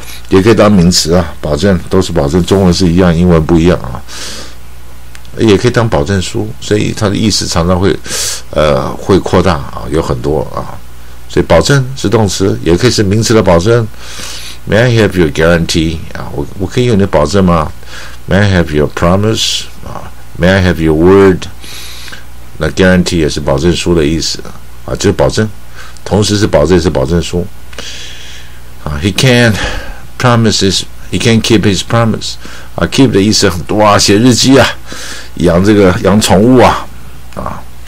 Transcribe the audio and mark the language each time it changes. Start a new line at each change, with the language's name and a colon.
Chinese: 也可以当名词保证，都是保证，中文是一样，英文不一样也可以当保证书，所以它的意思常常会扩大有很多所以保证是动词，也可以是名词的保证，
English: May I have your guarantee?、啊、
Chinese: 我可以有你的保证吗
English: ?May I have your promise?、啊、May I have your word?
Chinese: 那 guarantee 也是保证书的意思、啊、就是保证同时是保证也是保证书、啊、
English: He can't promise his, He can't keep his promise、
Chinese: 啊、Keep 的意思很多啊写日记啊养这个养宠物 啊, 啊